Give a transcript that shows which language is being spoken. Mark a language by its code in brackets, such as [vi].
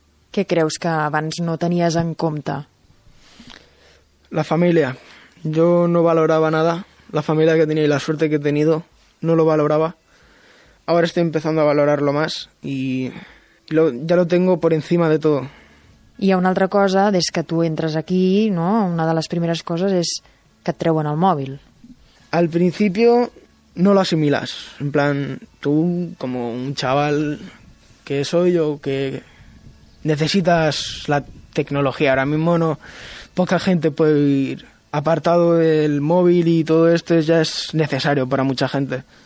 [ca] ¿Qué creus que abans no tenies en compte? [es] La familia. Yo no valoraba nada. La familia que tenía y la suerte que he tenido no lo valoraba. Ahora estoy empezando a valorarlo más y ya lo tengo por encima de todo. [ca] Hi ha una altra cosa, des que tu entres aquí, no? Una de les primeres coses és que et treuen el mòbil. [es] Al principio no lo asimilas, en plan, tú como un chaval que soy o que necesitas la tecnología. Ahora mismo no, poca gente puede vivir apartado del móvil y todo esto ya es necesario para mucha gente.